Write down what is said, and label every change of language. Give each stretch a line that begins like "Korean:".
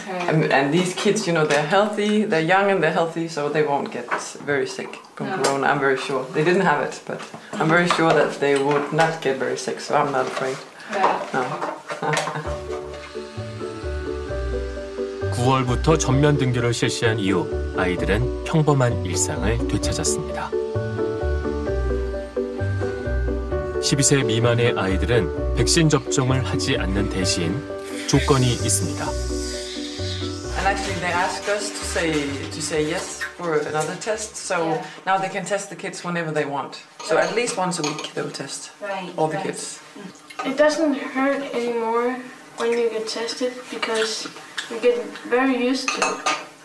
English: And these kids, you know, they're healthy, they're young and they're healthy, so they won't get very sick from corona, I'm very sure. They didn't have it, but I'm very sure that they would not get very sick, so I'm not afraid. Yeah. No.
Korean: 9월부터 전면 등교를 실시한 이후 아이들은 평범한 일상을 되찾았습니다. 12세 미만의 아이들은 백신 접종을 하지 않는 대신 조건이 있습니다.
English: And actually mean, they asked us to say yes for another test. So yeah. Now they can test the kids whenever they want. So at least once a week they'll test all the kids. It doesn't hurt anymore when you get tested because you get very used to it.